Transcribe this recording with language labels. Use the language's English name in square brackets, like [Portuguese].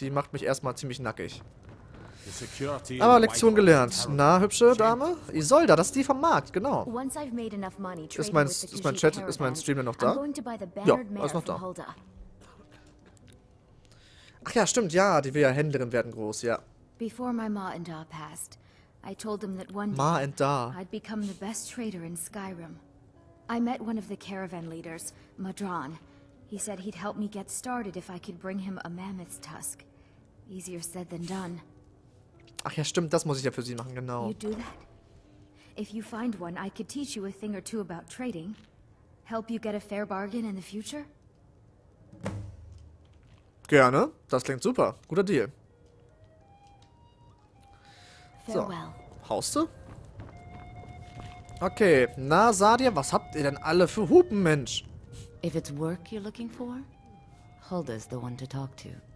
[German] Die macht mich erstmal ziemlich nackig. Aber Lektion gelernt. Na, hübsche Dame? Isolda, das ist die vom Markt, genau. Ist mein Chat, ist mein Stream noch da? Ja, ist noch da. Ach ja, stimmt, ja, die will ja Händlerin werden groß, ja. [English] Before my Ma and Da passed, I told them that one day I'd become the best trader in Skyrim. I met one of the caravan leaders, Madron. He said he'd help me get started if I could bring him a mammoth's tusk. Easier said than done. [German] Ach ja, stimmt, das muss ich ja für sie machen, genau. [English] You do that? If you find one, I could teach you a thing or two about trading. Help you get a fair bargain in the future? [German] Gerne, das klingt super. Guter Deal. So, haust du? Okay, na Sadia, was habt ihr denn alle für Hupen, Mensch? [English] If it's work you're looking for, Hulda's the one to talk to.